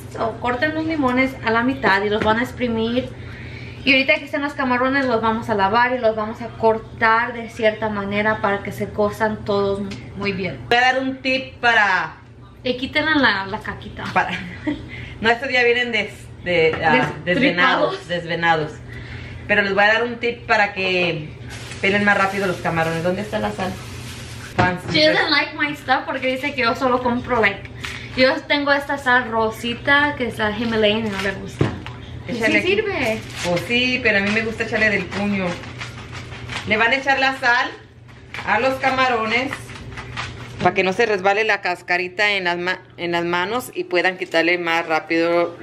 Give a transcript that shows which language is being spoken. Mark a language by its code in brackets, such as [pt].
[es] So, corten los limones a la mitad y los van a exprimir. Y ahorita que están los camarones, los vamos a lavar y los vamos a cortar de cierta manera para que se cosan todos muy bien. Voy a dar un tip para... Y quítenle la caquita. Para... No, estos ya vienen de... desvenados. Pero les voy a dar un tip para que pelen más rápido los camarones. ¿Dónde está la sal? [en] Fancy. She doesn't like my stuff [es] porque dice que yo solo compro like. Yo tengo esta sal rosita que es la Himalayan y no le gusta. Échale. ¿Sí sirve? Oh, sí, pero a mí me gusta echarle del puño. Le van a echar la sal a los camarones para que no se resbale la cascarita en las manos y puedan quitarle más rápido.